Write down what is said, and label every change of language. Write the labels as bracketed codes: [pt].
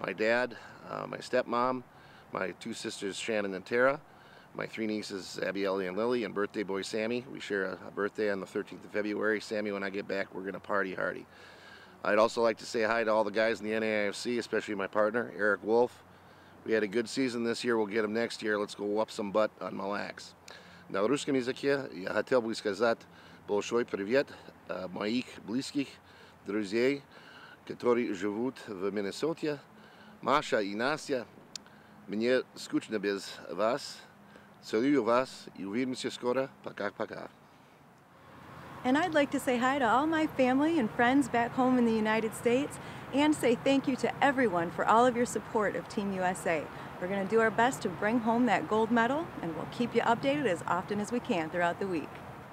[en] My dad, my stepmom, my two sisters Shannon and Tara, my three nieces Abby, Ellie, and Lily, and birthday boy Sammy. We share a birthday on the 13th of February. Sammy, when I get back, we're going to party hardy. I'd also like to say hi to all the guys in the NAIFC, especially my partner, Eric Wolf. We had a good season this year. We'll get them next year. Let's go whoop some butt on Mille Lacs. [ru] На русском языке я хотел бы сказать большой привет моих близких друзей, которые живут в Миннесоте. Маша и Настя, мне скучно без вас. Целую вас и увидимся скоро. Пока-пока. [en] And I'd like to say hi to all my family and friends back home in the United States and say thank you to everyone for all of your support of Team USA. We're going to do our best to bring home that gold medal, and we'll keep you updated as often as we can throughout the week.